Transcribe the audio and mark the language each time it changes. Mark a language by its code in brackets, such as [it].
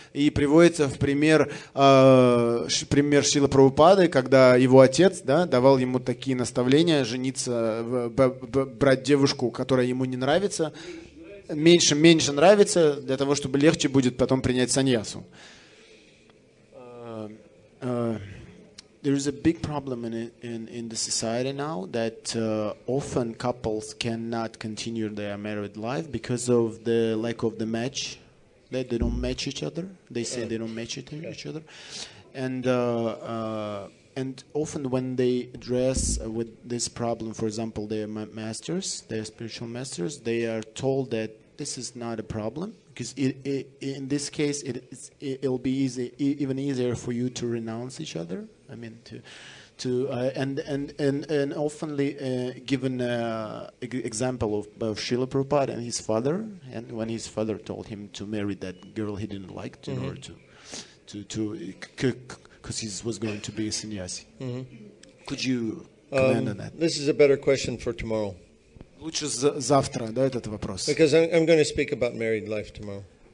[ru] И приводится в пример Шрилы Прабхупады, когда его отец, да, давал ему такие наставления – жениться, брать девушку, которая ему не нравится – меньше нравится, для того, чтобы легче будет потом принять саньясу. [en] There is a big problem in the society now that often couples cannot continue their married life because of the lack of the match, that they don't match each other. They say they don't match each other. And often when they address with this problem, for example, their masters, their spiritual masters, they are told that this is not a problem because it in this case it'll be even easier for you to renounce each other. I mean to give an example of Srila Prabhupada and his father, and when his father told him to marry that girl he didn't like in order to because he was going to be a sannyasi. Mm-hmm. Could you comment on that? This is a better question for tomorrow. [ru] Лучше завтра, да, этот вопрос. [en] Because I'm going to speak about married life tomorrow.